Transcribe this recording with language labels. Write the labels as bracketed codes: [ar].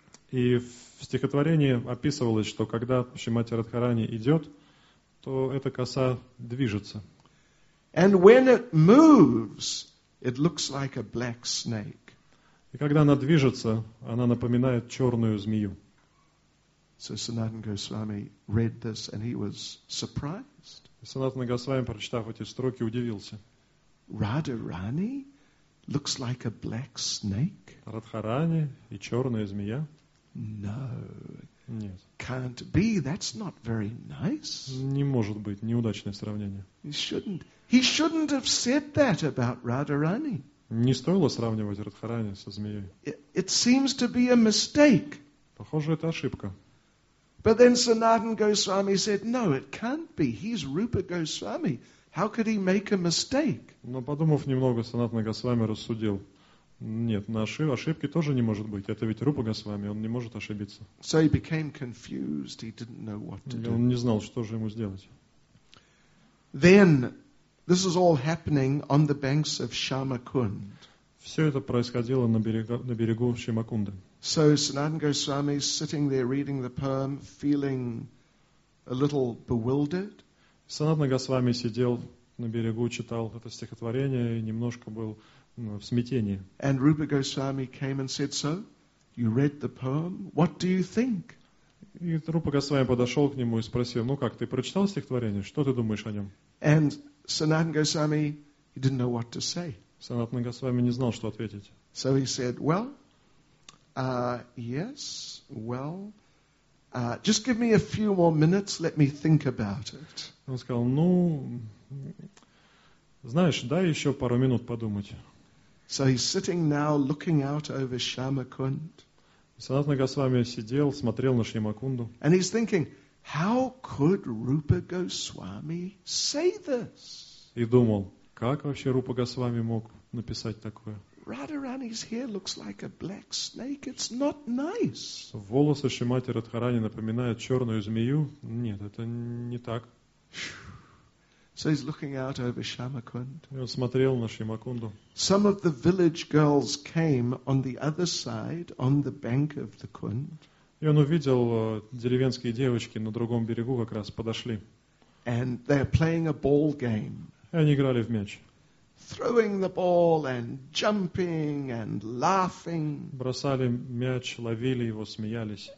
[ru] И в стихотворении описывалось, что когда Шримати Радхарани идет, то эта коса движется. [en] And when it moves, it looks like a black snake. [ru] И когда она движется, она напоминает черную змею. [en] So Sanatan Goswami read this and he was surprised. [ru] Санатана Госвами, прочитав эти строки, удивился. [en] Radharani looks like a black snake? [ru] Радхарани и черная змея? [en] No. [ru] Нет. [en] Can't be. That's not very nice. [ru] Не может быть. Неудачное сравнение. [en] He shouldn't have said that about Radharani. [ru] Не стоило сравнивать Радхарани со змеей. [en] It seems to be a mistake. [ru] Похоже, это ошибка. [en] But then Sanatan Goswami said, no, it can't be. He's Rupa Goswami. How could he make a mistake? [ru] Но подумав немного, Санатана Госвами рассудил. Нет, наши ошибки тоже не может быть. Это ведь Рупа Госвами, он не может ошибиться. [en] So he became confused. He didn't know what to do. [ru] Он не знал, что же ему сделать. [en] Then, this is all happening on the banks of Shamakund. [ru] Все это происходило на берегу Шамакунды. [en] So Sanatan Goswami is sitting there reading the poem, feeling a little bewildered. [ru] Санатана Госвами сидел на берегу, читал это стихотворение и немножко был в смятении. [en] And Rupa Goswami came and said, so, you read the poem, what do you think? [ru] И Рупа Госвами подошел к нему и спросил, ну как, ты прочитал стихотворение, что ты думаешь о нем? [en] And Sanatana Goswami, he didn't know what to say. [ru] Санатана Госвами не знал, что ответить. [en] So he said, well, yes, well, just give me a few more minutes, let me think about it. [ru] Он сказал, ну, знаешь, дай еще пару минут подумать. [en] So he's sitting now looking out over Shamakund. [ru] Санатана Госвами сидел, смотрел на Шамакунду. [en] And he's thinking, how could Rupa Goswami say this? [ru] И думал, как вообще Рупа Госвами мог написать такое? [en] Radharani's hair looks like a black snake. It's not nice. [ru] Волосы Шримати Радхарани напоминают черную змею. Нет, это не так. [en] So he's looking out over Shamakund. [ru] Он смотрел на Шамакунду. [en] Some of the village girls came on the other side, on the bank of the Kund. [ru] И он увидел деревенские девочки на другом берегу как раз подошли. [en] And they're playing a ball game. [ru] И они играли в мяч. [en] Throwing the ball and jumping and laughing. [ru] Бросали мяч, ловили его, смеялись.